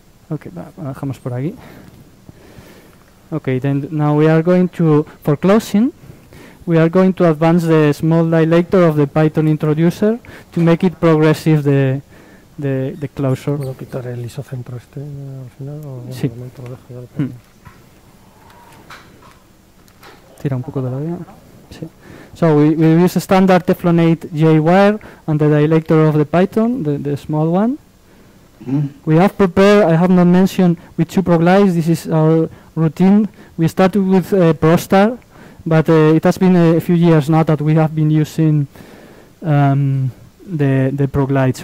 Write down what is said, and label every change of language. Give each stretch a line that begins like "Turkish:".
Spanish: Okay, dejamos por aquí.
English: Okay, then now we are going to, for closing, we are going to advance the small dilator of the Python introducer to make it progressive, the closure.
Spanish: ¿Puedo quitar el isocentro este al final? O sí. Un momento, dejo ya el Tira un poco de la vía. Sí.
English: So we use a standard Teflonate J-wire and the dilator of the Python, the small one. Mm. We have prepared, I have not mentioned, with two proglides. This is our routine. We started with Prostar. But it has been a few years now that we have been using the proglides.